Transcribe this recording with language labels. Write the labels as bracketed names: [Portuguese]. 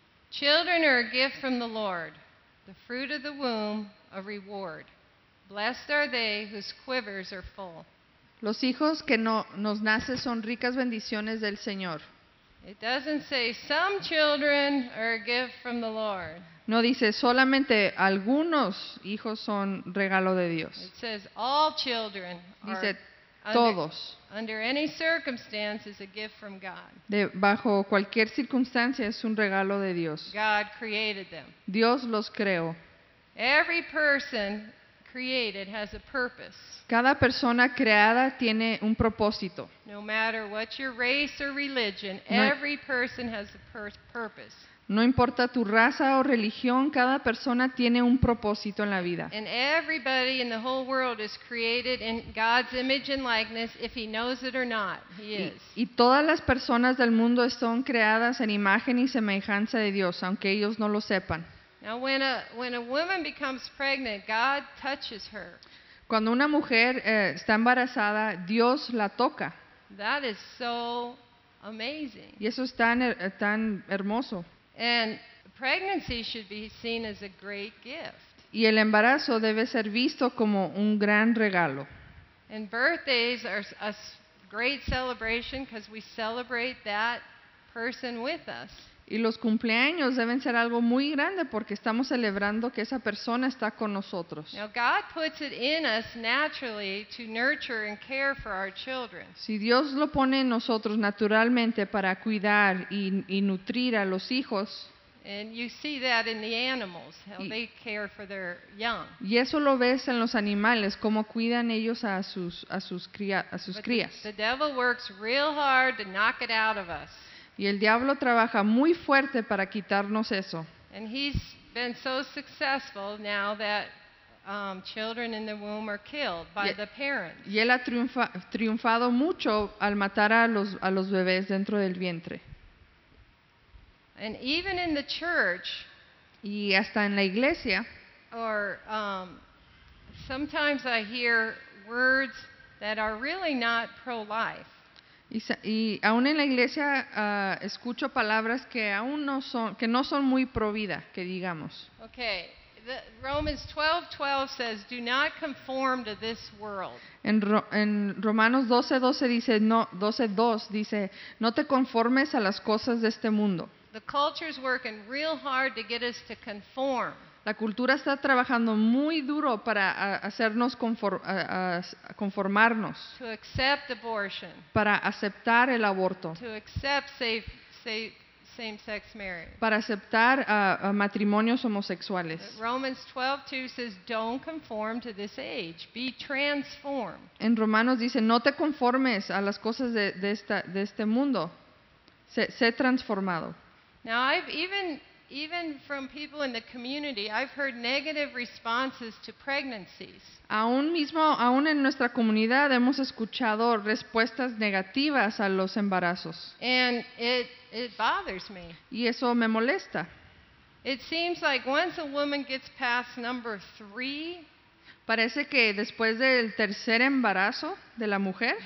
[English] Children are a gift from the Lord, the fruit of the womb a reward. Blessed are they whose quivers are full. [Spanish] Los hijos que nos nace son ricas bendiciones del Señor. [English] It doesn't say some children are a gift from the Lord. [Spanish] No dice solamente algunos hijos son regalo de Dios. [English] It says all children [Spanish] dice, [English] are [Spanish] todos. [English] Under any circumstance is a gift from God. [Spanish] Bajo cualquier circunstancia es un regalo de Dios. [English] God created them. [Spanish] Dios los creó. [English] Every person created has a purpose. [Spanish] Cada persona creada tiene un propósito. [English] No matter what your race or religion, every person has a purpose. [Spanish] No importa tu raza o religión, cada persona tiene un propósito en la vida. [English] And everybody in the whole world is created in God's image and likeness, if he knows it or not, he is. [Spanish] Y todas las personas del mundo son creadas en imagen y semejanza de Dios, aunque ellos no lo sepan. [English] Now when a woman becomes pregnant, God touches her. [Spanish] Cuando una mujer está embarazada, Dios la toca. [English] That is so amazing. [Spanish] Y eso es tan hermoso. [English] And pregnancy should be seen as a great gift. [Spanish] Y el embarazo debe ser visto como un gran regalo. [English] And birthdays are a great celebration because we celebrate that person with us. [Spanish] Y los cumpleaños deben ser algo muy grande porque estamos celebrando que esa persona está con nosotros. [English] Now God puts it in us naturally to nurture and care for our children. [Spanish] Si Dios lo pone en nosotros naturalmente para cuidar y nutrir a los hijos. [English] And you see that in the animals, how they care for their young. [Spanish] Y eso lo ves en los animales, cómo cuidan ellos a sus crías. [English] The devil works real hard to knock it out of us. [Spanish] Y el diablo trabaja muy fuerte para quitarnos eso. [English] And he's been so successful now that children in the womb are killed by the parents. [Spanish] Y él ha triunfado mucho al matar a los bebés dentro del vientre. [English] And even in the church, [Spanish] y hasta en la iglesia, [English] or sometimes I hear words that are really not pro-life. [Spanish] Y aún en la iglesia escucho palabras que aún no son, que no son muy pro vida, que digamos. [English] Okay. The Romans 12:12 says, "Do not conform to this world." [Spanish] En Romanos 12:12 dice, no, 12:2 dice, "No te conformes a las cosas de este mundo." [English] The culture's working real hard to get us to conform. [Spanish] La cultura está trabajando muy duro para hacernos conformarnos. [English] To accept abortion. [Spanish] Para aceptar el aborto. [English] To accept same-sex marriage. [Spanish] Para aceptar matrimonios homosexuales. [English] Romans 12:2 says, "Don't conform to this age. Be transformed." [Spanish] En Romanos dice, "No te conformes a las cosas de este mundo. Sé transformado." [English] Now I've even from people in the community, I've heard negative responses to pregnancies. [Spanish] Aún en nuestra comunidad hemos escuchado respuestas negativas a los embarazos. [English] And it bothers me. [Spanish] Y eso me molesta. [English] It seems like once a woman gets past number three, [Spanish] parece que después del tercer embarazo de la mujer,